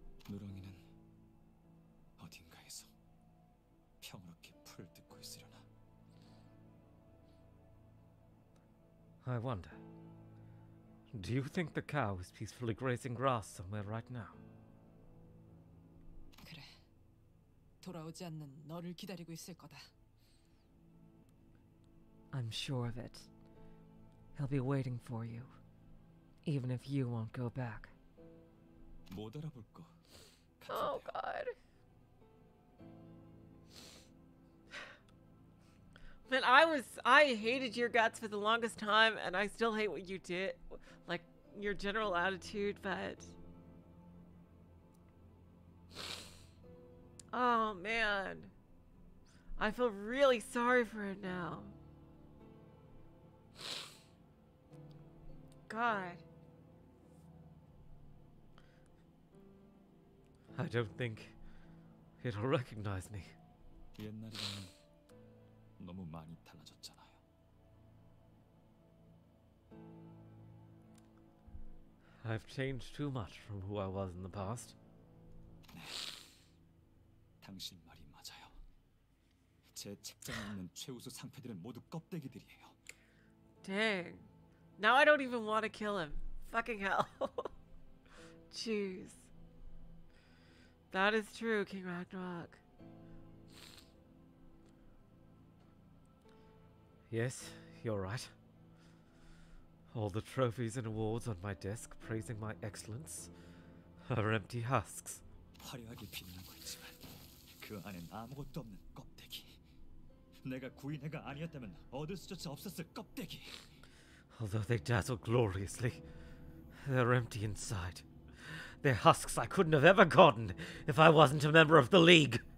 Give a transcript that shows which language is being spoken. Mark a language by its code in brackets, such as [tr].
[ko] 누렁이는 어딘가에서 평화롭게 풀 뜯고 있으려나. [en] I wonder, do you think the cow is peacefully grazing grass somewhere right now? [ko] 그래, 돌아오지 않는 너를 기다리고 있을 거다. [en] I'm sure of it. He'll be waiting for you, even if you won't go back. [ko] 못 알아볼 거. [en] Oh, God. Man, I hated your guts for the longest time, and I still hate what you did, like, your general attitude, but... Oh, man. I feel really sorry for it now. God. I don't think it'll recognize me. [ko] 옛날이랑 너무 많이 달라졌잖아요. [en] I've changed too much from who I was in the past. [ko] 네. 당신 말이 맞아요. 제 책장에 있는 최우수 상패들은 모두 껍데기들이에요. [en] Dang. Now I don't even want to kill him. Fucking hell. Jeez. That is true, King Ragnarok. Yes, you're right. All the trophies and awards on my desk praising my excellence are empty husks. [ko] 화려하게 빛나는 거 있지만 그 안엔 아무것도 없는 껍데기. 내가 구인회가 아니었다면 얻을 수조차 없었을 껍데기. [en] Although they dazzle gloriously, they're empty inside. They're husks I couldn't have ever gotten if I wasn't a member of the League.